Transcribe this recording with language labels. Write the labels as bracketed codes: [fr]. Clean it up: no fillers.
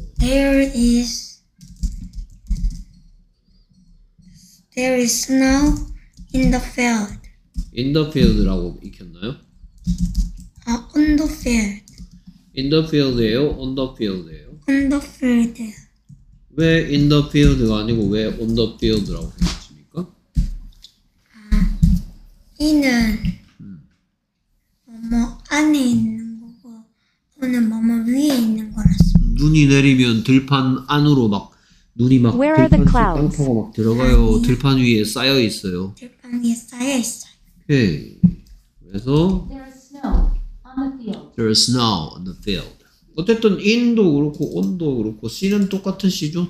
[en] There is snow in the field. [ko] In the field 라고 익혔나요? [en] On the field. In the field에요? On the field에요? On the field에요. [ko] 왜 in the field 가 아니고 왜 on the field 라고 생각하십니까? 아, 이는 뭐 안에 있는 거고 또는 뭐 위에 있는 거라서 눈이 내리면 들판 안으로 막 눈이 막 Where 들판 속에 땅파고 막 들어가요. 아니, 들판 위에 쌓여 있어요. 들판 위에 쌓여 있어요. 오케이. 그래서 [en] There is snow on the field. [ko] 어쨌든 in도 그렇고 on도 그렇고 씨는 똑같은 씨죠?